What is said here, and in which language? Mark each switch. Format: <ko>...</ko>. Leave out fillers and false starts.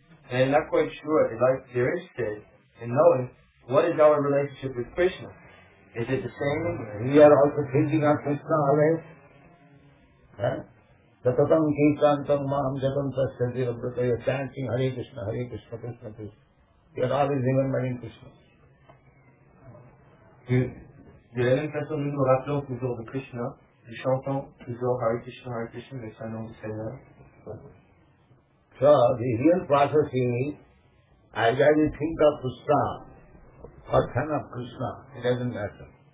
<en>And they're not quite sure, they're interested in knowing what is our relationship with Krishna. Is it the same? We are also thinking of Krishna always. Huh?</en> <sa>Tatatam kīkāntam maham jatam sasthati rabrata.</sa> <en>You are chanting Hare Krishna, Hare Krishna, Krishna Krishna. You are always remembering Krishna.</en> <fr>De la même façon, nous nous rappelons toujours de Krishna. Nous chantons toujours Hare Krishna, Hare Krishna, le Saint-Nom du Seigneur.</fr> <en>So, the real process is, I either think of Krishna or think of Krishna, it doesn't matter.</en>